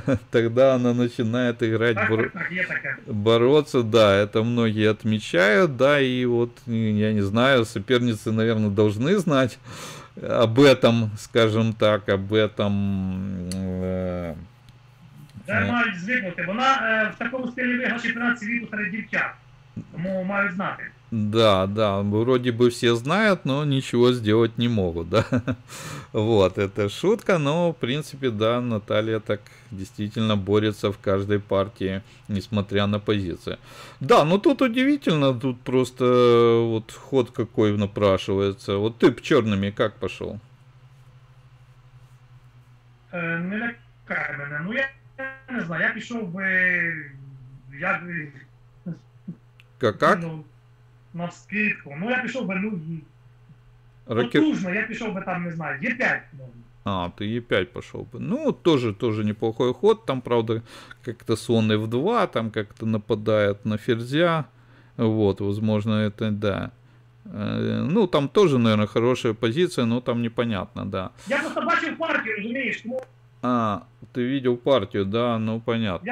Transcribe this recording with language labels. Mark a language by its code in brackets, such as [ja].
[ru] Тогда она начинает играть Так, так, так, я такая. бороться, да, это многие отмечают, да, и вот я не знаю, соперницы, наверное, должны знать об этом, скажем так, об этом. [uk] Да, мають звикнути. Вона в такому стилі виграла чемпіонат світу серед дівчат. Тому мають знати. [ru] Да, вроде бы все знают, но ничего сделать не могут, да. Вот, это шутка, но, в принципе, да, Наталья так действительно борется в каждой партии, несмотря на позиции. Да, ну тут удивительно, тут просто вот ход какой напрашивается. Вот ты б черными как пошел? [uk] Не лякає мене. Ну, я не знаю, я пішов би, я [ru] Как-как? [uk] ну, [ru] навскидку. [uk] Ну, я пішов би, ну, Ракет. потужно, я пішов би там, не знаю, Е5, можна. [ru] А, ты E5 пошел бы. Ну, тоже неплохой ход. Там, правда, как-то слон F2, там как-то нападает на ферзя. Вот, возможно, это да. Ну, там тоже, наверное, хорошая позиция, но там непонятно, да. [uk] Я просто бачив партію, розумієш, тому... [ru] А, ты видел партию, да, ну понятно.